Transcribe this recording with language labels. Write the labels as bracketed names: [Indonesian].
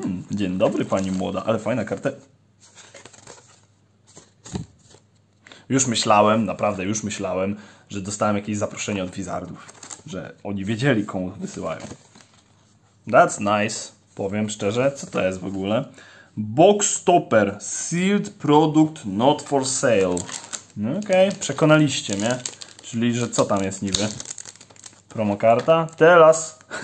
[Polish] Dzień dobry, pani młoda, ale fajna karta. Już myślałem, naprawdę już myślałem, że dostałem jakieś zaproszenie od wizardów, że oni wiedzieli, komu wysyłają. [English] That's nice, [Polish] powiem szczerze, co to jest w ogóle? [English] Boxstopper, sealed product not for sale. [Polish] No okej, okay, przekonaliście mnie. Czyli, że co tam jest niby? Promokarta? Teraz!